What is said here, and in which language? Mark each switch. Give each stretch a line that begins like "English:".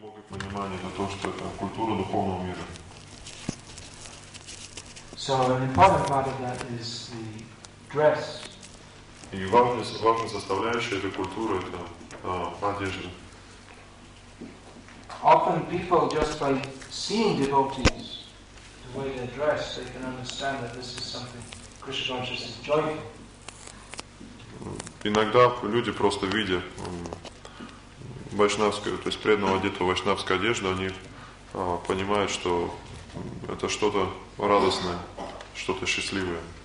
Russian: внимание на то, что это культура духовного мира.
English: So an important part of that is the dress.
Russian: И важная составляющая этой культуры — это одежда.
English: Often people just by seeing devotees, the way they dress, they can understand that this is something Krishna consciousness is joyful.
Russian: Иногда люди, просто видя вайшнавскую, то есть преданного одетого вайшнавской одежды, они понимают, что это что-то радостное, что-то счастливое.